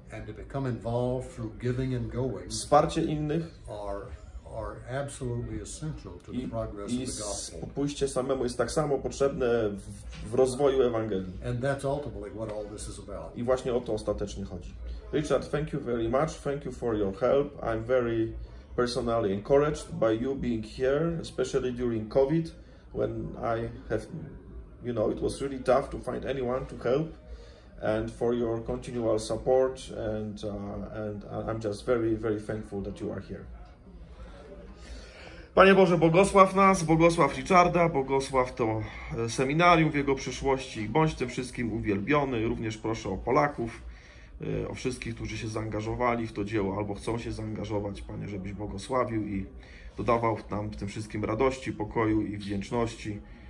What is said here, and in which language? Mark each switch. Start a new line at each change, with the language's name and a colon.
English: and to become involved through giving and going,
Polish: wsparcie innych,
English: are absolutely essential to the progress of the gospel.
Polish: I pójście samemu jest tak samo potrzebne w rozwoju Ewangelii.
English: And that's ultimately what all this is about.
Polish: I właśnie o to ostatecznie chodzi.
English: Richard, thank you very much. Thank you for your help. I'm very personally encouraged by you being here, especially during COVID, when I have, you know, it was really tough to find anyone to help, and for your continual support. And I'm just very, very thankful that you are here.
Polish: Panie Boże, błogosław nas, błogosław Richarda, błogosław to seminarium w jego przyszłości. Bądź tym wszystkim uwielbiony. Również proszę o Polaków, o wszystkich, którzy się zaangażowali w to dzieło albo chcą się zaangażować, Panie, żebyś błogosławił i dodawał nam w tym wszystkim radości, pokoju i wdzięczności.